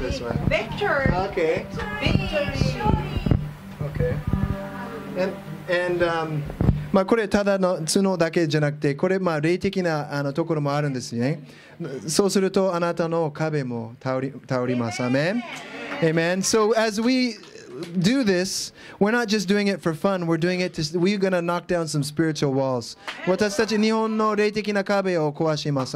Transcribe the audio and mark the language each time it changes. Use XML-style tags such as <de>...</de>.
<en>it this way. Victory. Okay. Victory. Okay. And.</en> <ja>まあ、これただの角だけじゃなくて、これまあ霊的なところもあるんですね。そうするとあなたの壁も倒ります。アメン。アメン。</ja> <en>So as we do this, we're not just doing it for fun. We're doing it to, we're going to knock down some spiritual walls.</en> <ja>私たち日本の霊的な壁を壊します。</ja>